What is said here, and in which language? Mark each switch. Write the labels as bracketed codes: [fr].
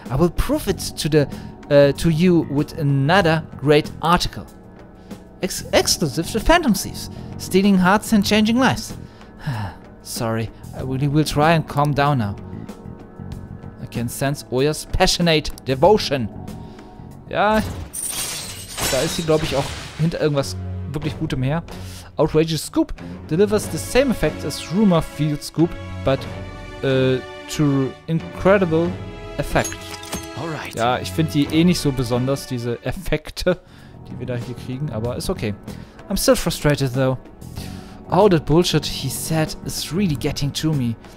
[en] I will prove it to you with another great article. Exclusive to Phantom Thieves. Stealing hearts and changing lives. Sorry, I really will try and calm down now. I can sense Oya's passionate devotion. [de] Ja, da ist sie, glaube ich, auch hinter irgendwas wirklich Gutem her. [en] Outrageous Scoop delivers the same effect as Rumor Field Scoop, but to incredible effect. Alright. [de] Ja, ich finde die eh nicht so besonders, diese Effekte, die wir da hier kriegen, aber ist okay. [en] I'm still frustrated though. All that bullshit he said is really getting to me.